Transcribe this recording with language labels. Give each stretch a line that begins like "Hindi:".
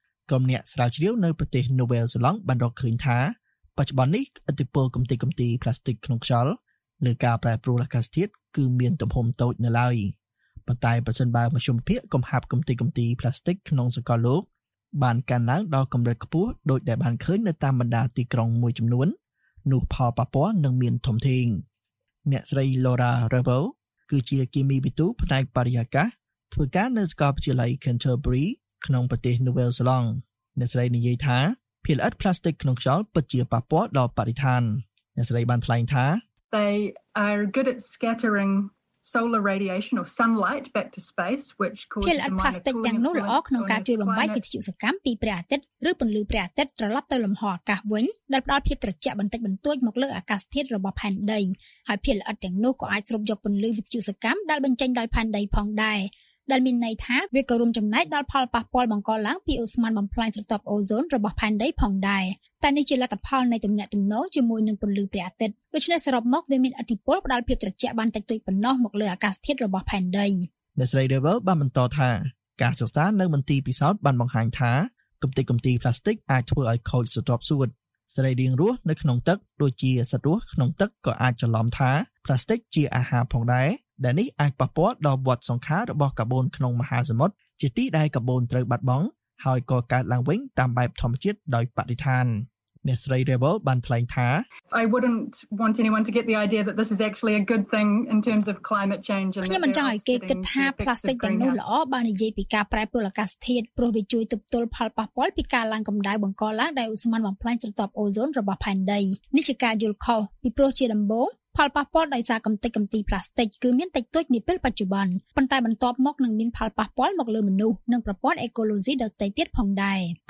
Khmer: ក្រុមអ្នកស្រាវជ្រាវនៅប្រទេសនូវែលសេឡង់បានរកឃើញថាបច្ចុប្បន្ននេះឥទ្ធិពលកំទេចកំទីផ្លាស្ទិកក្នុងខ្យល់លើការប្រែប្រួលអាកាសធាតុគឺមានទំហំតូចនៅឡើយប៉ុន្តែប្រសិនបើមជ្ឈមភាគកំហាប់កំទេចកំទីផ្លាស្ទិកក្នុងសកលលោកបានកាន់ឡើងដល់កម្រិតខ្ពស់ដោយដែលបានឃើញនៅតាមបណ្ដាទីក្រុងមួយចំនួននោះផលប៉ះពាល់នឹងមានធំធេង អ្នកស្រី Laura Revel គឺជាគីមីវិទូផ្នែកបរិយាកាសធ្វើការនៅសាកលវិទ្យាល័យ Canterbury ក្នុងប្រទេស Nouvelle-Zélande អ្នកស្រីនិយាយថាភាគល្អិតផ្លាស្ទិកក្នុងខ្យល់ពិតជាប៉ះពាល់ដល់បរិស្ថានអ្នកស្រីបានថ្លែងថា
English: They are good at scatteringSolar radiation or sunlight back to space, which causes minor cooling.
Khmer: ផ្លាស្ទិកទាំងនោះល្អក្នុងការជួយបំបែកវិទ្យុសកម្មពីព្រះអាទិត្យឬពន្លឺព្រះអាទិត្យត្រឡប់ទៅលំហអាកាសវិញដែលផ្ដល់ភាពត្រជាក់បន្តិចបន្តួចមកលើអាកាសធាតុរបស់ផែនដីហើយផ្លាស្ទិកទាំងនោះក៏អាចស្រូបយកពន្លឺវិទ្យុសកម្មដែលបញ្ចេញដោយផែនដីផងដែរដែលមានន័យថាវាក៏រួមចំណែកដល់ផលប៉ះពាល់បង្កឡើងពីឧស្ម័នបំផ្លាញស្រទាប់អូហ្សូនរបស់ផែនដីផងដែរតែនេះជាលទ្ធផលនៃទំនាក់ទំនងជាមួយនឹងពន្លឺព្រះអាទិត្យដូច្នេះសរុបមកវាមានឥទ្ធិពលផ្ដល់ភាពត្រជាក់បានតិចតួចប៉ុណ្ណោះមកលើអាកាសធាតុរបស់ផែនដី អ្នកស្រី Devil បានបន្តថាការសិក្សានៅមន្ទីរពិសោធន៍បានបង្ហាញថាកំទេចកំទីផ្លាស្ទិកអាចធ្វើឲ្យខូចស្រទាប់សួតសរីរាង្គរស់នៅក្នុងទឹកដូចជាសត្វរស់ក្នុងទឹកក៏អាចច្រឡំថាផ្លាស្ទិកជាអាហារផងដែរដែលនេះអាចប៉ះពាល់ដល់វដ្តសង្ខាររបស់កាបូនក្នុងមហាសមុទ្រជាទីដែលកាបូនត្រូវបាត់បង់ហើយក៏កើតឡើងវិញតាមបែបធម្មជាតិដោយបរិស្ថានអ្នកស្រី Revel បានថ្លែងថា
English: I wouldn't want anyone to get the idea that this is actually a good thing in terms of climate change
Khmer: and ខ្ញុំមិនចង់ឲ្យគេគិតថាផ្លាស្ទិកទាំងនោះល្អបើនិយាយពីការប្រែប្រួលអាកាសធាតុព្រោះវាជួយទប់ទល់ផលប៉ះពាល់ពីការឡើងកម្ដៅបង្កឡើងដោយឧស្ម័នបំផ្លាញស្រទាប់អូហ្សូនរបស់ផែនដីនេះជាការយល់ខុសពីព្រោះជាដំបូងផលប៉ះពាល់ដោយសារកំទេចកំទីផ្លាស្ទិកគឺមានតិចតួចនាពេលបច្ចុប្បន្នប៉ុន្តែបន្ទាប់មកនឹងមានផលប៉ះពាល់មកលើមនុស្សនិងប្រព័ន្ធអេកូឡូស៊ីដទៃទៀតផងដែរ